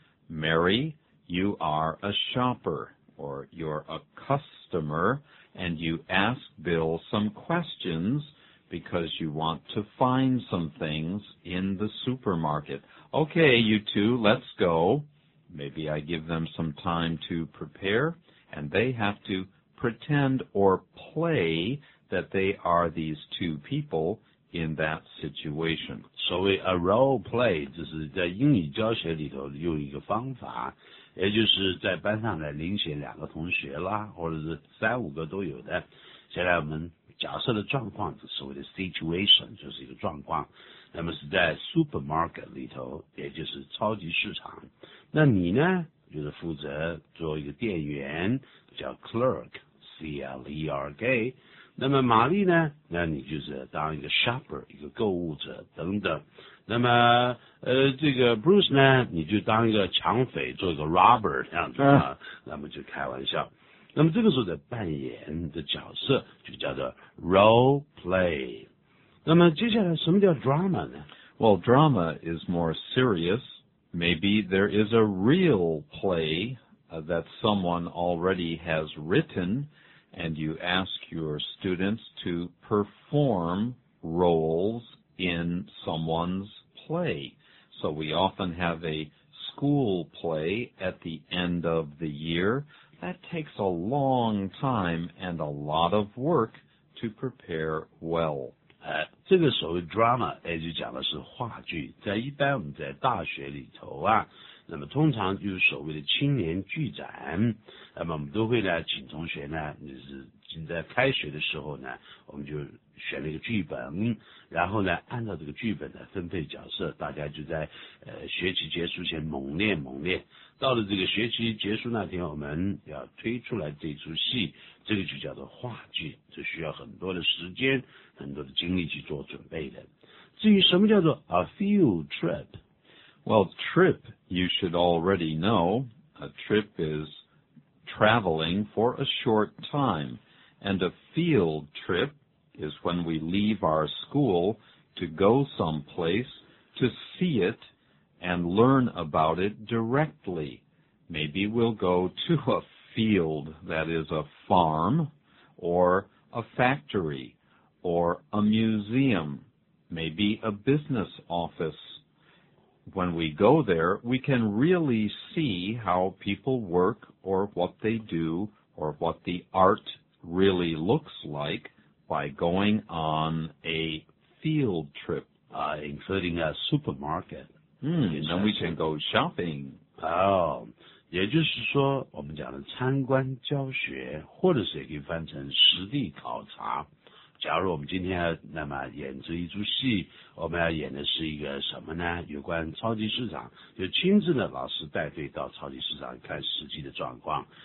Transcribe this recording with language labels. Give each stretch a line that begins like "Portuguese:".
English: Mary, you are a shopper or you're a customer and you ask Bill some questions because you want to find some things in the supermarket. Okay, you two, let's go. Maybe I give them some time to prepare and they have to pretend or playthat they are these two people in that situation.
Chinese: 所谓 a role play, 就是在英语教学里头用一个方法，也就是在班上来遴选两个同学啦，或者是三五个都有的。现在我们假设的状况，所谓的 situation, 就是一个状况。那么是在 supermarket 里头，也就是超级市场。那你呢，就是负责做一个店员，叫 clerk, C-L-E-R-K,那么玛丽呢，那你就是当一个 shopper, 一个购物者等等。那么这个 Bruce 呢，你就当一个抢匪，做一个 robber 这样子啊，那么就开玩笑。那么这个时候的扮演的角色就叫做 role play。那么接下来什么叫 drama 呢？
English: Well, drama is more serious. Maybe there is a real play that someone already has written. And you ask your students to perform roles in someone's play. So we often have a school play at the end of the year. That takes a long time and a lot of work to prepare well.
Chinese: 这个所谓 drama, 也就讲的是话剧。在一般我们在大学里头啊，那么通常就是所谓的青年剧展，那么我们都会呢请同学呢，就是请在开学的时候呢，我们就选了一个剧本，然后呢按照这个剧本呢分配角色，大家就在学期结束前猛练猛练，到了这个学期结束那天，我们要推出来这出戏，这个就叫做话剧，这需要很多的时间很多的精力去做准备的。至于什么叫做 a field trip,
English: Well, trip, you should already know, a trip is traveling for a short time, and a field trip is when we leave our school to go someplace to see it and learn about it directly. Maybe we'll go to a field that is a farm, or a factory, or a museum, maybe a business office. When we go there, we can really see how people work or what they do or what the art really looks like by going on a field trip, including a supermarket. And then we can go shopping.
Chinese: Oh, 也就是说我们讲的参观教学或者是也可以翻成实地考察。假如我们今天那么演这一出戏，我们要演的是一个什么呢？有关超级市场，就亲自的老师带队到超级市场看实际的状况。